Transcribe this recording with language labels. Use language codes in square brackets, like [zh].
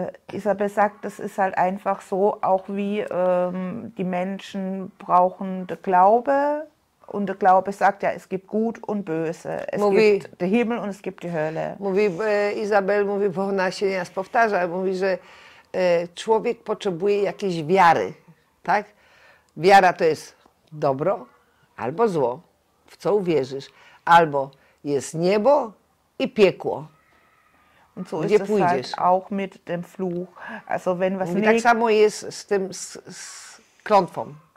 [de] Isabel sagt, das ist halt einfach so, auch wie die Menschen brauchen den Glaube und der Glaube sagt ja, es gibt Gut und Böse, es [pl] mówi, [de] gibt den Himmel und es gibt die Hölle. [pl] Mówi, Isabel mówi, bo ona się nie raz powtarza, mówi, że człowiek potrzebuje jakiejś wiary, tak? Wiara to jest dobro albo zło, w co uwierzysz, albo jest niebo i piekło. [de] Und so ist es halt auch mit dem Fluch. Also wenn was [pl] tak samo jest z tym z klątwą.